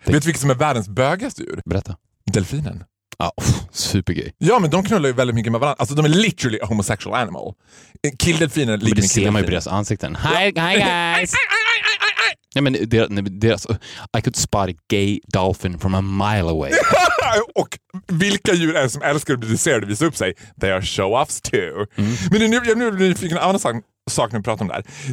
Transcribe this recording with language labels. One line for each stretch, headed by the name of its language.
Swedish: Vet du vilket som är världens bögaste djur? Berätta. Delfinen. Ja, supergay. Ja, men de knullar ju väldigt mycket med varandra. Alltså, de är
English: literally a homosexual animal.
Swedish: Killdelfinen ligger med killdelfinen. Men det ser man ju på deras ansikten.
English: Hi guys!
Swedish: Nej, men deras...
English: I could spot a gay dolphin from a mile away.
Swedish: Och vilka djur är som älskar att bli dresserade och visa upp sig?
English: They are show-offs too.
Swedish: Mm. Men nu blir jag nyfiken en annan sak nu att prata om där.